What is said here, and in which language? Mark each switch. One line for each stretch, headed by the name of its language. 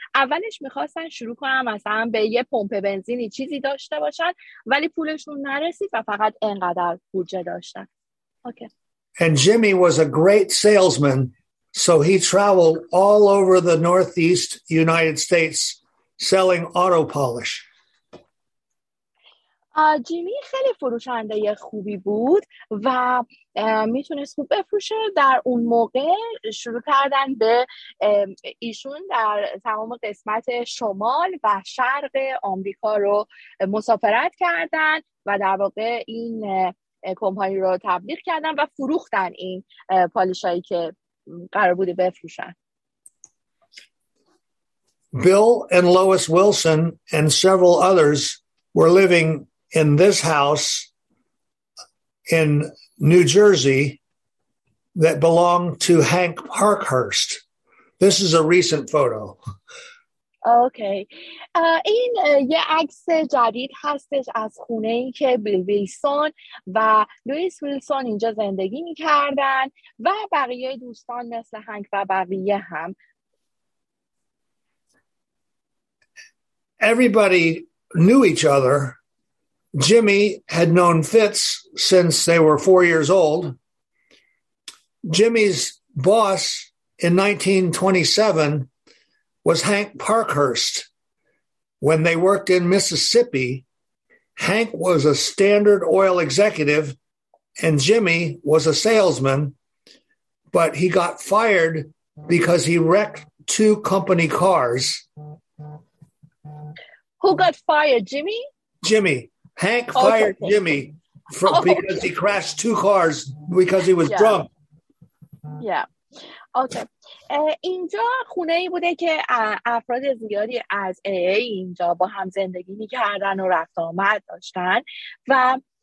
Persian: اولش میخواستن شروع کنن مثلا به یه پمپ بنزینی چیزی داشته باشن، ولی پولشون نرسید و فقط انقدر بودجه داشتن.
English: Okay. And Jimmy was a great salesman, so he traveled all over the Northeast United States selling auto polish.
Persian: جیمی خیلی فروشنده خوبی بود و میتونست خوب بفروشه. در اون موقع شروع کردن به ایشون در تمام قسمت شمال و شرق آمریکا رو مسافرت کردن و در واقع این کمپانی رو تبلیغ کردن و فروختن این پالیشایی که قرار بوده بفروشن.
English: Bill and Lois Wilson and several others were living in this house in New Jersey that belonged to Hank Parkhurst. This is a recent photo. Okay.
Persian: این یه عکس جدید هستش از خونه ای که بیل ویلسون و لوئیس ویلسون اینجا زندگی میکردن و بقیه دوستان مثل هنگ و بقیه هم.
English: Everybody knew each other. Jimmy had known Fitz since they were 4 years old. Jimmy's boss in 1927 was Hank Parkhurst. When they worked in Mississippi, Hank was a Standard Oil executive and Jimmy was a salesman, but he got fired because he wrecked two company cars. Who got fired, Jimmy? Jimmy. Hank fired Jimmy because he crashed two cars because he was drunk. Yeah. Okay.
Persian: اینجا خونه ای بوده که افراد زیادی از AA اینجا با هم زندگی می کردن و رفت آمد داشتن و